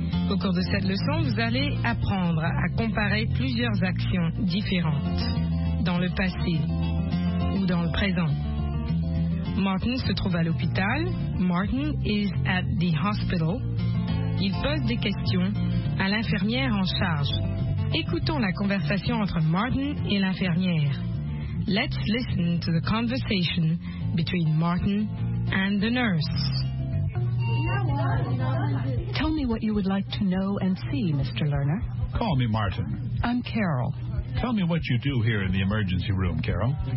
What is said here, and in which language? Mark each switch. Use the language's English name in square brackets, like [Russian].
[French] Au cours de cette leçon, vous allez apprendre à comparer plusieurs actions différentes dans le passé ou dans le présent. Martin se trouve à l'hôpital. [English] Martin is at the hospital. [French] Il pose des questions à l'infirmière en charge. Écoutons la conversation entre Martin et l'infirmière. [English] Let's listen to the conversation between Martin and the nurse. Tell me what you would like to know and see, Mr. Lerner. Call me Martin. I'm Carol. Tell me what you do here in the emergency room, Carol.